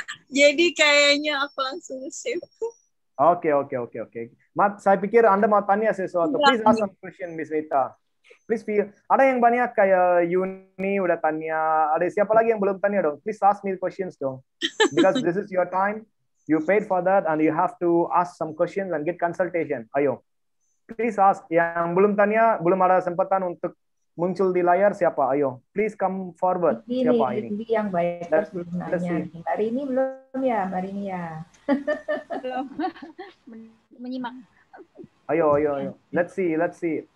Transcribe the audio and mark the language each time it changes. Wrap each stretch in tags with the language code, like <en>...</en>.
<id>Jadi kayaknya aku langsung save. Oke. Saya pikir Anda mau tanya sesuatu.</id> <en>Please ask some question, Miss Rita. Please feel.</en> <id>Ada yang banyak kayak Yuni udah tanya. Ada siapa lagi yang belum tanya dong?</id> <en>Please ask me the questions</en> <id>dong.</id> <en>Because this is your time. You paid for that and you have to ask some questions and get consultation. Ayo. Please ask.</en> <id>Yang belum tanya, belum ada kesempatan untuk muncul di layar siapa?</id> <en>Ayo, please come forward.</en> <id>Ini, siapa ini? Ini yang baik harus belum nanya. Marini belum ya, Marini ya. Belum. Menyimak.</id> <en>Ayo. Let's see.</en>